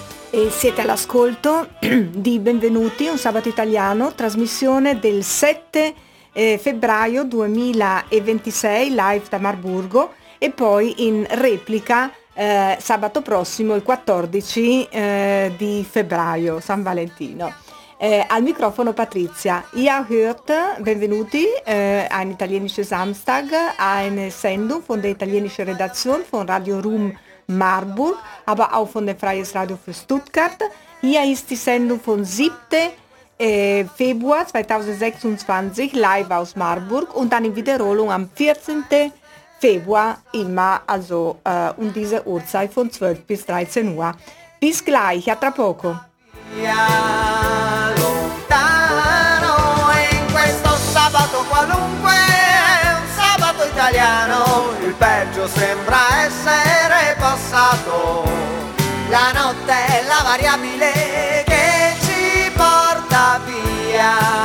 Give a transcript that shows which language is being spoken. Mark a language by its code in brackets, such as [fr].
[it] E siete all'ascolto di Benvenuti, un sabato italiano, trasmissione del 7 febbraio 2026, live da Marburgo, e poi in replica sabato prossimo, il 14 di febbraio, San Valentino. Al microfono Patrizia. [de] Ihr hört, benvenuti, ein italienischer Samstag, eine Sendung von der italienischen Redaktion von Radio Rum Marburg, aber auch von der Freies Radio für Stuttgart. Hier ist die Sendung von 7. Februar 2026 live aus Marburg und dann in Wiederholung am 14. Februar immer, also um diese Uhrzeit von 12 bis 13 Uhr. Bis gleich, [it] a tra poco. Lontano in questo sabato qualunque, un sabato italiano, il peggio sembra essere passato. La notte è la variabile che ci porta via.